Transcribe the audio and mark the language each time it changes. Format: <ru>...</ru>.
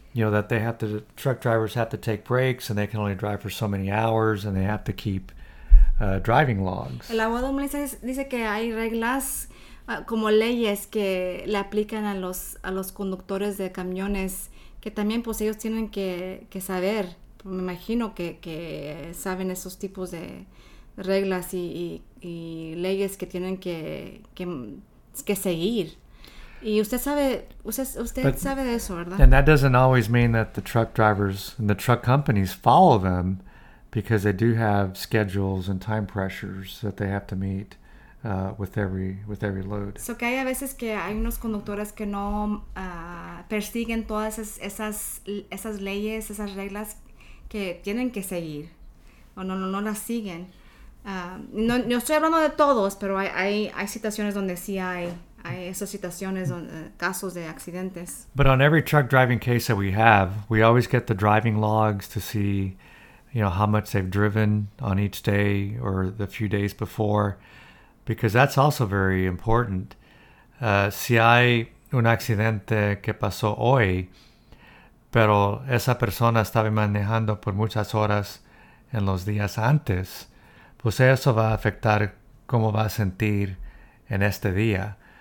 <en>You know, that they have to, truck drivers have to take breaks and they can only drive for so many hours and they have to keep driving logs.</en> <es>El abogado Melissa dice que hay reglas como leyes que le aplican a los conductores de camiones que también pues ellos tienen que saber. Me imagino que saben esos tipos de reglas y leyes que tienen que seguir. Y usted sabe de eso, ¿verdad?</es> <en>And that doesn't always mean that the truck drivers and the truck companies follow them because they do have schedules and time pressures that they have to meet with every load.</en> <es>So que hay a veces que hay unos conductores que no persiguen todas esas leyes, esas reglas que tienen que seguir o no las siguen. No estoy hablando de todos, pero hay situaciones donde sí hay esas situaciones, casos de accidentes.</es> <en>But on every truck driving case that we have, we always get the driving logs to see, you know, how much they've driven on each day or the few days before, because that's also very important.</en> <es>Si hay un accidente que pasó hoy, pero esa persona estaba manejando por muchas horas en los días antes, pues eso va a afectar cómo va a sentir en este día.</es>